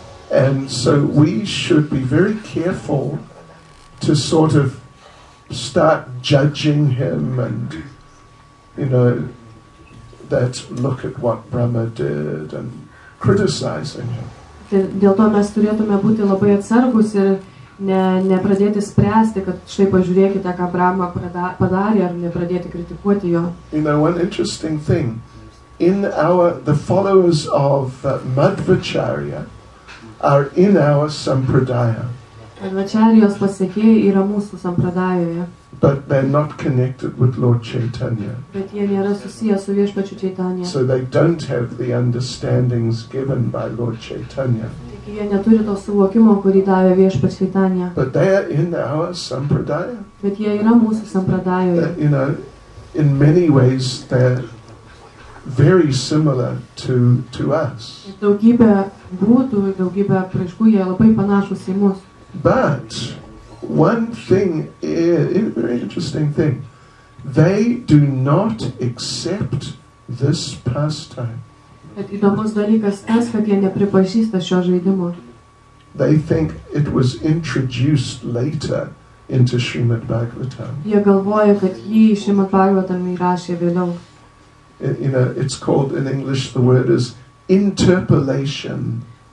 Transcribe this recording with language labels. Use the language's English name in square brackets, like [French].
[English] And so we should be very careful to sort of start judging him and, you know, that look at what Brahma did and criticizing him. [Lithuanian] Dėl to mes turėtume būti labai atsargus ir nepradėti spręsti, kad štai pažiūrėkite, ką Brahma padarė, ar nepradėti kritikuoti jo. [English] You know, one interesting thing, in our, the followers of Madhvacharya, are in our sampradaya. [Lithuanian] Advacharyos pasekėjai yra mūsų sampradajoje. [English] But they're not connected with Lord Chaitanya. [Lithuanian] Bet jie nėra susiję su viešpačiu Chaitanya. [English] So they don't have the understandings given by Lord Chaitanya. [Lithuanian] Taigi jie neturi to suvokimo, kurį davė viešpats Chaitanya. [English] But they are in our sampradaya. [Lithuanian] Bet jie yra mūsų sampradajoje. [English] That, you know, in many ways they're very similar to us. [Lithuanian] Daugybė būdų, daugybė apraiškų, jie labai panašus į mus. [English] But one thing is a very interesting thing. They do not accept this pastime. [Lithuanian] Bet įdomus dalykas tas, kad jie nepripažįsta šio žaidimo. [English] They think it was introduced later into Srimad Bhagavatam. [Lithuanian] Jie galvoja, kad jį į Srimad Bhagavatam įrašė vėliau. [English] You know, it's called in English, the word is interpolation.